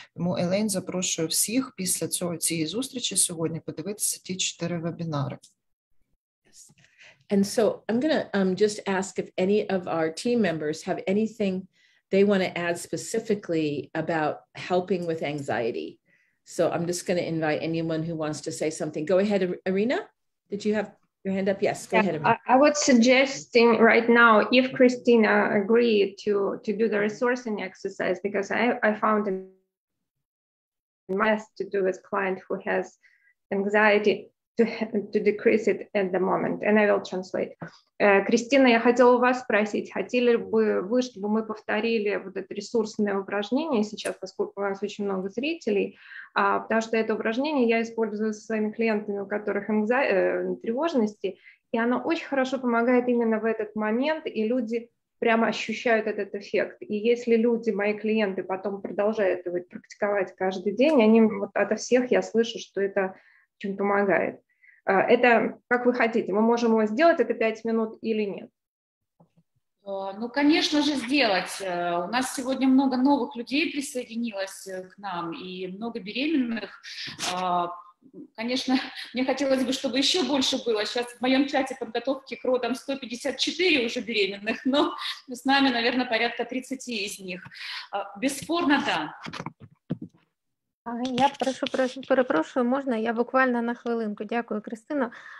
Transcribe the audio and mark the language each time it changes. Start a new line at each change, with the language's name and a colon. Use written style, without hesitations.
Ukrainian: Тому Елейн запрошує всіх після цієї зустрічі сьогодні подивитися ті 4 вебінари.
English: And so I'm going to just ask if any of our team members have anything they want to add specifically about helping with anxiety. So I'm just going to invite anyone who wants to say something. Go ahead, Irina. Did you have your hand up? Yes, go ahead, Irina. I would suggest right now, if Christina agreed to do the resourcing exercise, because I found a mess to do with client who has anxiety, to decrease it at the moment, and I will translate.
Russian: Кристина,
Ukrainian: я хотіла у вас
Russian: спросити,
Ukrainian: хотіли б ви, щоб ми повторили
Russian: вот это ресурсное упражнение сейчас, поскольку у нас очень много зрителей, потому что это упражнение я использую со своими клиентами, у которых тревожности, и оно очень хорошо помогает именно в этот момент, и люди прямо ощущают этот эффект. И если люди, мои клиенты, потом продолжают его практиковать каждый день, они вот ото всех я слышу, что это чем помогает. Это как вы хотите, мы можем его сделать, это 5 минут или нет? Ну, конечно же, сделать. У нас сегодня много новых людей присоединилось к нам, и много беременных. Конечно, мне хотелось бы, чтобы еще больше было. Сейчас в моем чате подготовки к родам 154 уже беременных, но с нами, наверное, порядка 30 из них. Безспорно, да.
Ukrainian: Я прошу, перепрошую, можна? Я буквально на хвилинку. Дякую, Кристина.